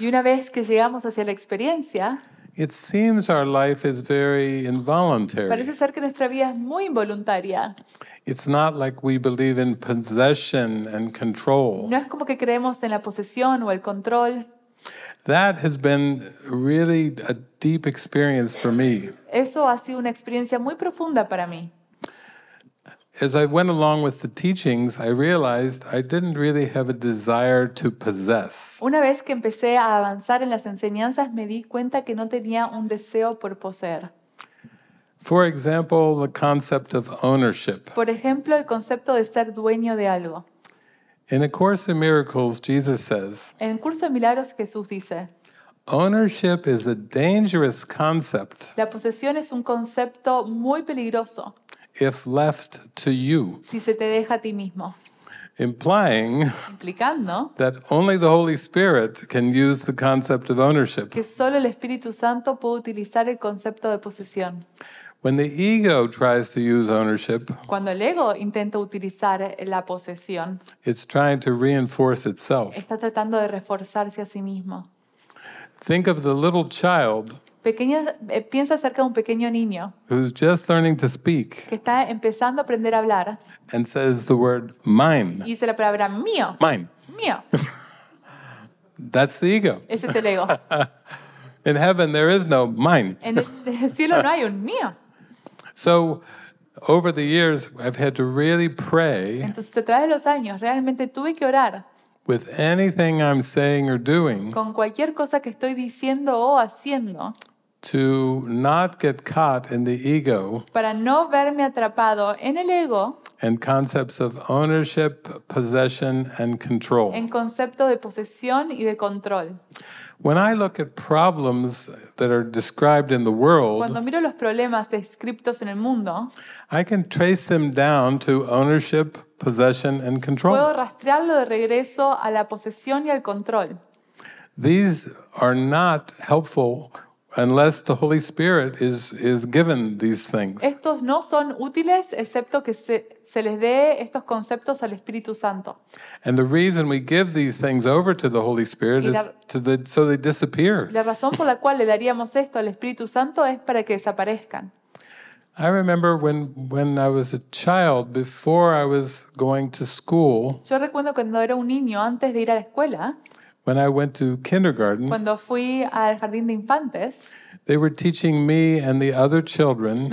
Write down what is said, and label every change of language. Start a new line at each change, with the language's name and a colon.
Spanish: y una vez que llegamos hacia la experiencia,
English: it seems our life is very involuntary.
Spanish: Parece ser que nuestra vida es muy involuntaria.
English: It's not like we believe in possession and control.
Spanish: No es como que creemos en la posesión o el control.
English: That has been really a deep experience for me.
Spanish: Eso ha sido una experiencia muy profunda para mí.
English: As I went along with the teachings, I realized I didn't really have a desire to possess.
Spanish: Una vez que empecé a avanzar en las enseñanzas, me di cuenta que no tenía un deseo por poseer.
English: For example, the concept of ownership.
Spanish: Por ejemplo, el concepto de ser dueño de algo.
English: In A Course in Miracles, Jesus says,
Spanish: en el curso de milagros, Jesús dice,
English: ownership is a dangerous concept.
Spanish: La posesión es un concepto muy peligroso.
English: If left to you.
Spanish: Si se te deja a ti mismo.
English: Implying
Spanish: implicando
English: that only the Holy Spirit can use the concept of ownership.
Spanish: Que solo el Espíritu Santo puede utilizar el concepto de posesión.
English: When the ego tries to use ownership,
Spanish: cuando el ego intenta utilizar la posesión,
English: it's trying to reinforce itself.
Spanish: Está tratando de reforzarse a sí mismo.
English: Think of the little child.
Spanish: Piensa acerca de un pequeño niño
English: who's just learning to speak,
Spanish: que está empezando a aprender a hablar,
English: and says the word mine.
Spanish: Y dice la palabra mío.
English: Mine.
Spanish: Mío.
English: That's the ego.
Spanish: Ese es el ego.
English: In heaven, there is no mine.
Spanish: En el cielo no hay un mío.
English: So, over the years, I've had to really pray.
Spanish: Entonces, a través de los años, realmente tuve que orar.
English: With anything I'm saying or doing.
Spanish: Con cualquier cosa que estoy diciendo o haciendo.
English: To not get caught in the ego.
Spanish: Para no verme atrapado en el ego.
English: And concepts of ownership, possession, and control.
Spanish: En concepto de posesión y de control.
English: When I look at problems that are described in the world,
Spanish: cuando miro los problemas descritos en el mundo,
English: I can trace them down to ownership, possession, and control.
Spanish: Puedo rastrearlo de regreso a la posesión y al control.
English: These are not helpful unless the Holy Spirit is given these things.
Spanish: Estos no son útiles excepto que se les dé estos conceptos al Espíritu Santo.
English: And the reason we give these things over to the Holy Spirit is so they disappear.
Spanish: La razón por la cual le daríamos esto al Espíritu Santo es para que desaparezcan.
English: I remember when I was a child before I was going to school.
Spanish: Yo recuerdo cuando era un niño antes de ir a la escuela.
English: When I went to kindergarten,
Spanish: cuando fui al jardín de infantes,
English: they were teaching me and the other children,